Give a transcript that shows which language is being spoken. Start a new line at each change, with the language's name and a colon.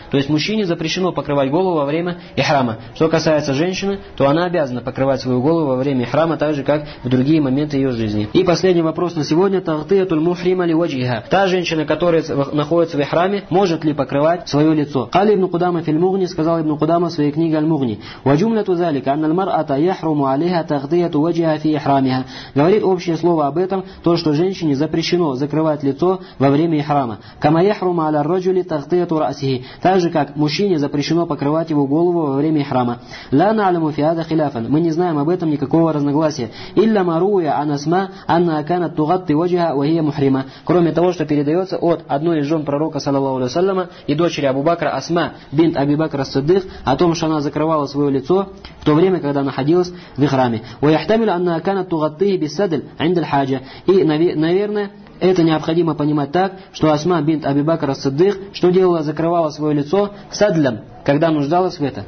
Russian: То есть мужчине запрещено покрывать голову во время ихрама. Что касается женщины, то она обязана покрывать свою голову во время ихрама, так же как в другие моменты ее жизни. И последний вопрос на сегодня:
Arabic: тахтиятуль мухрима ли ваджхиха.
Russian: Та женщина, которая находится в ихраме, может ли покрывать свое лицо? Али ибн Кудама фи аль-Мугни сказал:
Arabic: الله ابن قدامة في كنيق المغني. وجملة ذلك أن المرأة يحرم عليها تغطية وجهها في إحرامها.
Russian: говорит общее слово об этом, то что женщине запрещено закрывать лицо во время ихрама.
Arabic: كما يحرم على الرجل تغطية رأسه.
Russian: так же как мужчине запрещено покрывать его голову во время ихрама.
Arabic: لا نعلم في هذا خلافا.
Russian: мы не знаем об этом никакого разногласия.
Arabic: إلا ما روي عن أسماء أنها كانت تغطي وجهها وهي محرمة.
Russian: кроме того, что передается от одной из жен пророка саллаллаху алейхи ва саллям и дочери Абу Бакра Асма бинт Аби Бакра Саддых о том, что она закрывала свое лицо в то время, когда находилась в храме.
Arabic: وَيَحْتَمِلُ أَنَّهَا كَانَتْ تُغَطِّي بِالسَّدْرِ عِنْدَ الْحَاجَةِ.
Russian: и, наверное, это необходимо понимать так, что Асма бинт Аби Бакра Саддых что делала, закрывала свое лицо садлем, когда нуждалась в это.